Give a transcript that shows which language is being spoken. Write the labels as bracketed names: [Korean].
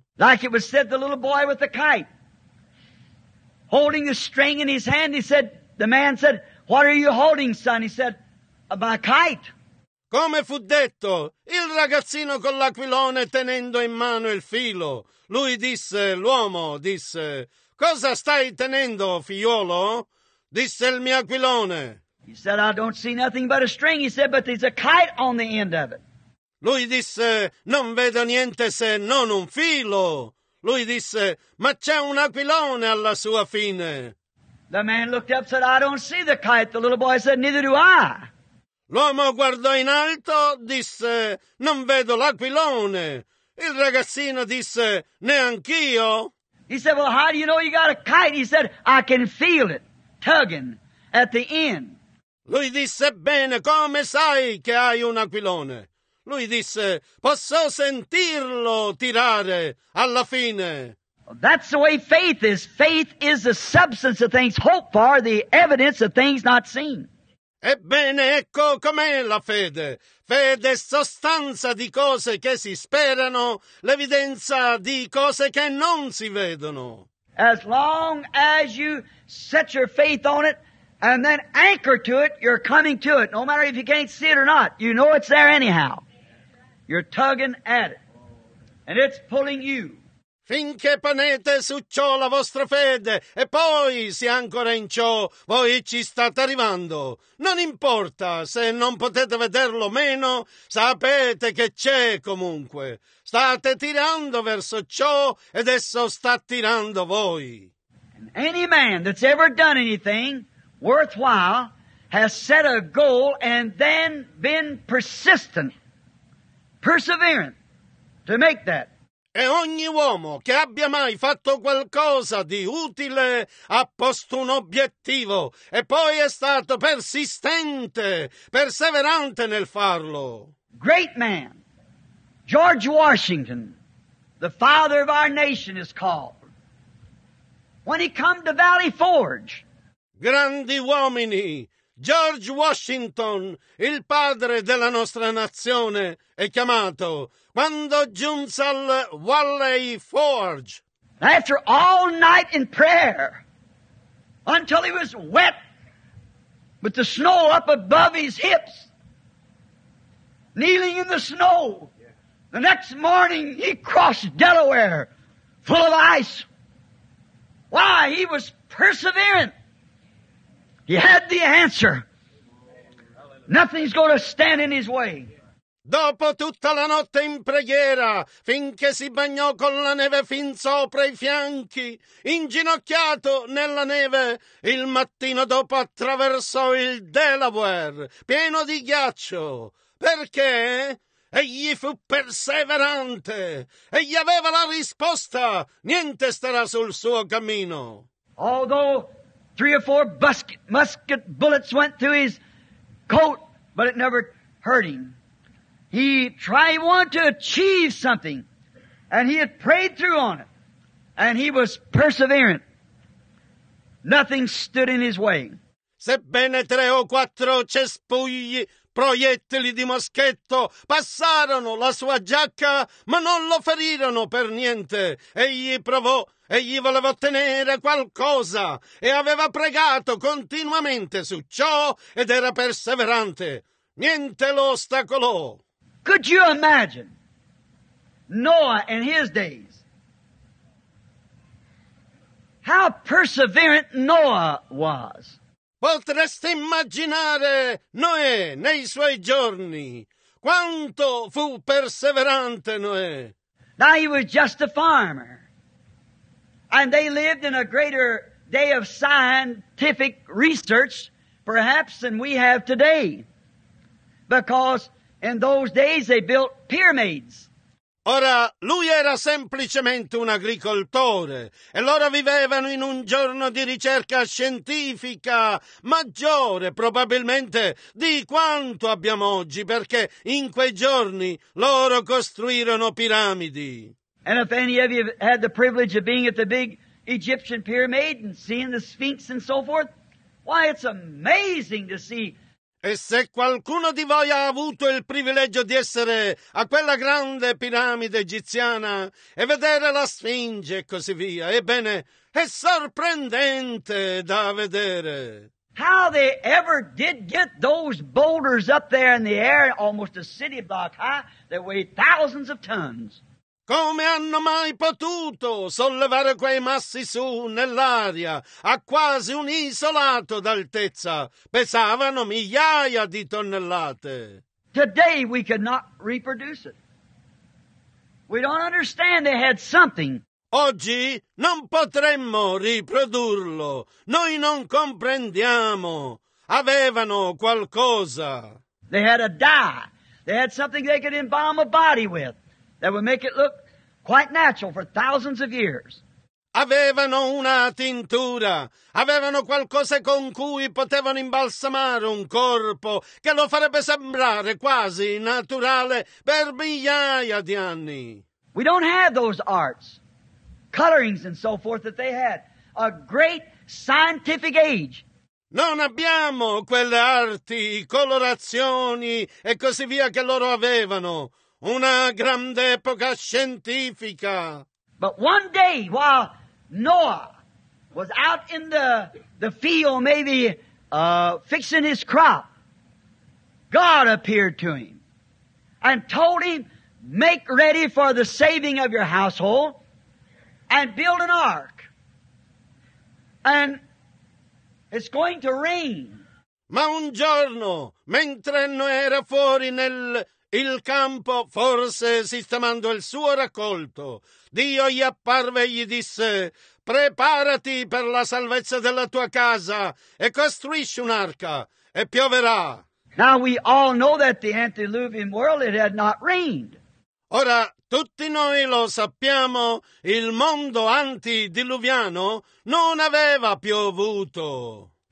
[English] Like it was said, the little boy with the kite, holding the string in his hand, the man said, what are you holding, son? He said, my kite. [Italian] Come fu detto, il ragazzino con l'aquilone tenendo in mano il filo. Lui disse, l'uomo disse, cosa stai tenendo, figliolo? Disse il mio aquilone. [English] He said, I don't see nothing but a string. He said, but there's a kite on the end of it. [Italian] Lui disse, non vedo niente se non un filo. Lui disse, ma c'è un aquilone alla sua fine. [English] The man looked up and said, I don't see the kite. The little boy said, neither do I. [Italian] L'uomo guardò in alto, disse, non vedo l'aquilone. Il ragazzino disse, neanch'io. [English] He said, well, how do you know you got a kite? He said, I can feel it tugging at the end. [Italian] Lui disse, bene, come sai che hai un aquilone? Lui disse, posso sentirlo tirare alla fine. [English] Well, that's the way faith is. Faith is the substance of things hoped for, the evidence of things not seen. [Italian] Ebbene, ecco com'è la fede. Fede è sostanza di cose che si sperano, l'evidenza di cose che non si vedono. [English] As long as you set your faith on it and then anchor to it, you're coming to it. No matter if you can't see it or not, you know it's there anyhow. You're tugging at it. And it's pulling you. [Italian] Finché ponete su ciò la vostra fede e poi, se ancora in ciò, voi ci state arrivando. Non importa se non potete vederlo meno, sapete che c'è comunque. State tirando verso ciò ed esso sta tirando voi. [English] Any man that's ever done anything worthwhile has set a goal and then been persistent, perseverant to make that. [Italian] E ogni uomo che abbia mai fatto qualcosa di utile ha posto un obiettivo e poi è stato persistente, perseverante nel farlo. [English] Great man, George Washington, the father of our nation is called. When he come to Valley Forge. [Italian] Grandi uomini, George Washington, il padre della nostra nazione, è chiamato quando giunse al Valley Forge. [English] After all night in prayer, until he was wet with the snow up above his hips, kneeling in the snow, the next morning he crossed Delaware full of ice. Why, he was perseverant. He had the answer. Nothing's going to stand in his way. [Italian] Dopo tutta la notte in preghiera, finché si bagnò con la neve fin sopra i fianchi, inginocchiato nella neve, il mattino dopo attraversò il Delaware, pieno di ghiaccio. Perché? Egli fu perseverante. Egli aveva la risposta. Niente starà sul suo cammino. [English] Although three or four musket bullets went through his coat, but it never hurt him. He tried one to achieve something, and he had prayed through on it, and he was perseverant. Nothing stood in his way. [Italian] Sebbene tre o quattro cespugli, proiettili di moschetto, passarono la sua giacca, ma non lo ferirono per niente. Egli provò, egli voleva ottenere qualcosa, e aveva pregato continuamente su ciò, ed era perseverante. Niente lo ostacolò. [English] Could you imagine Noah in his days? How perseverant Noah was. [Italian] Potreste immaginare Noè nei suoi giorni. Quanto fu perseverante Noè. [English] Now he was just a farmer. And they lived in a greater day of scientific research, perhaps, than we have today. Because in those days they built pyramids. [Italian] Ora, lui era semplicemente un agricoltore, e loro vivevano in un giorno di ricerca scientifica maggiore, probabilmente, di quanto abbiamo oggi, perché in quei giorni loro costruirono piramidi. [English] And if any of you had the privilege of being at the big Egyptian pyramid and seeing the Sphinx and so forth, why, it's amazing to see. [Italian] E se qualcuno di voi ha avuto il privilegio di essere a quella grande piramide egiziana e vedere la Sfinge e così via, ebbene, è sorprendente da vedere. [English] How they ever did get those boulders up there in the air, almost a city block high, that weighed thousands of tons. [Italian] Come hanno mai potuto sollevare quei massi su nell'aria, a quasi un isolato d'altezza? Pesavano migliaia di tonnellate. [English] Today we could not reproduce it. We don't understand they had something. [Italian] Oggi non potremmo riprodurlo. Noi non comprendiamo. Avevano qualcosa. [English] They had a dye. They had something they could embalm a body with that would make it look quite natural for thousands of years. [Italian] Avevano una tintura, avevano qualcosa con cui potevano imbalsamare un corpo che lo farebbe sembrare quasi naturale per migliaia di anni. [English] We don't have those arts, colorings and so forth that they had. A great scientific age. [Italian] Non abbiamo quelle arti, colorazioni e così via che loro avevano. Una grande epoca scientifica. [English] But one day while Noah was out in the field maybe fixing his crop, God appeared to him and told him, make ready for the saving of your household and build an ark. And it's going to rain. [Italian] Ma un giorno, mentre Noè era fuori nel il campo, forse sistemando il suo raccolto, Dio gli apparve e gli disse, preparati per la salvezza della tua casa e costruisci un'arca e pioverà. [English] Now we all know that the antediluvian world it had not rained. [Italian] Ora tutti noi lo sappiamo, il mondo antidiluviano non aveva piovuto.